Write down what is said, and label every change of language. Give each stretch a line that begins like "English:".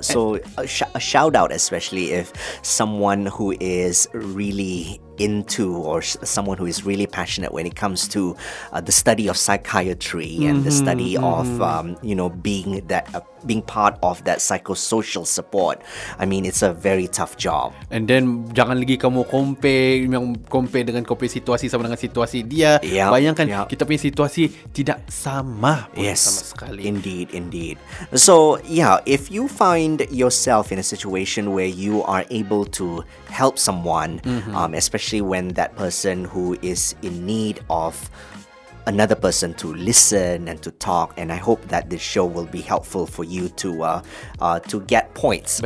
English: So a shout out, especially if someone who is really into or someone who is really passionate when it comes to the study of psychiatry and the study of being part of that psychosocial support. I mean, it's a very tough job. And then
Malay: jangan lagi kamu compare dengan kau punya situasi sama dengan situasi dia.
English: Yep,
Malay: bayangkan kita punya situasi tidak sama pun,
English: yes,
Malay: sama sekali.
English: Indeed. So yeah, if you find yourself in a situation where you are able to help someone, especially when that person who is in need of another person to listen and to talk, and I hope that this show will be helpful for you to get points.